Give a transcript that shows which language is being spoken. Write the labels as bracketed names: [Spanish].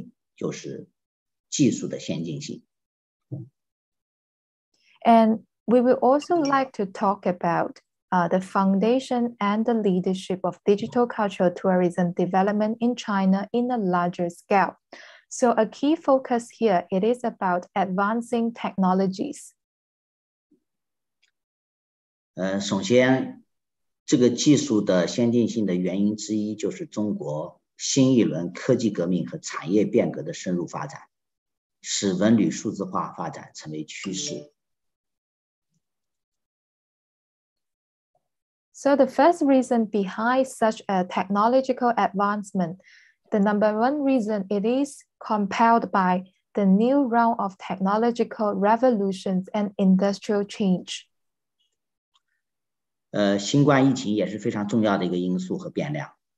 [Chinese] 下面来讨论一下在中国更大范围内的数字文旅发展的基础和引领，就是技术的先进性。 [English] And we will also like to talk about the foundation and the leadership of digital cultural tourism development in China in a larger scale. So a key focus here, it is about advancing technologies. [Chinese] 首先，这个技术的先进性的原因之一就是中国新一轮科技革命和产业变革的深入发展。使文旅数字化发展成为趋势。 [English] So the first reason behind such a technological advancement, the number one reason it is compelled by the new round of technological revolutions and industrial change. [Chinese] 新冠疫情也是非常重要的一个因素和变量。